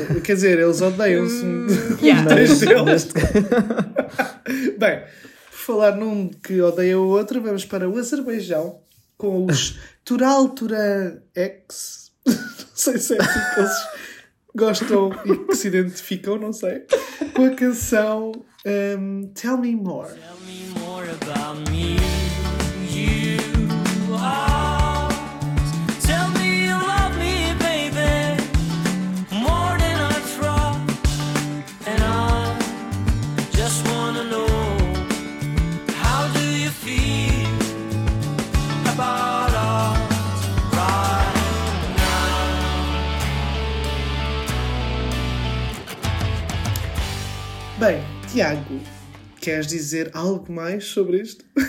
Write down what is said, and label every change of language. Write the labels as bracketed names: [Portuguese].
[Portuguese] Quer dizer, eles odeiam-se. Mas... Bem, por falar num que odeia o outro, vamos para o Azerbaijão com os Tural Turan X. Não sei se é assim que eles... gostam e que se identificam, não sei, com a canção Tell Me More. [English] Tell me more about me, you are. Tell me you love me, baby, more than I try. And I just wanna know, how do you feel about us right now? [Portuguese] Bem, Tiago, queres dizer algo mais sobre isto?